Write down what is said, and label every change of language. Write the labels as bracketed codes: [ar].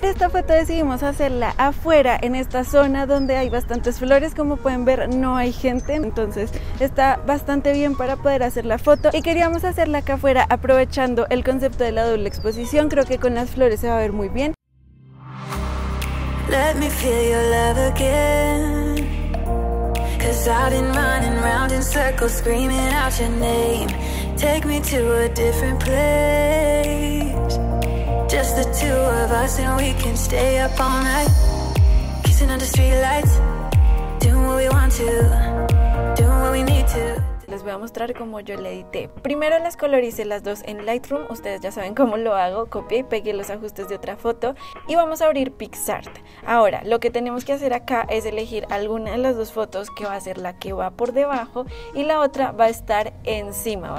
[es] Esta foto decidimos hacerla afuera, en esta zona donde hay bastantes flores. Como pueden ver, no hay gente, entonces está bastante bien para poder hacer la foto. Y queríamos hacerla acá afuera aprovechando el concepto de la doble exposición. Creo que con las flores se va a ver muy bien. [en] Let me feel your love again. Cause I've been running round in circles screaming out your name. Take me to a different place. Just the two of us and we can stay up all night. Kissing under streetlights. Doing what we want to. Doing what we need to. [es] Les voy a mostrar cómo yo la edité. Primero las coloricé las dos en Lightroom. Ustedes ya saben cómo lo hago. Copié y pegué los ajustes de otra foto. Y vamos a abrir PixArt. Ahora, lo que tenemos que hacer acá es elegir alguna de las dos fotos, que va a ser la que va por debajo y la otra va a estar encima.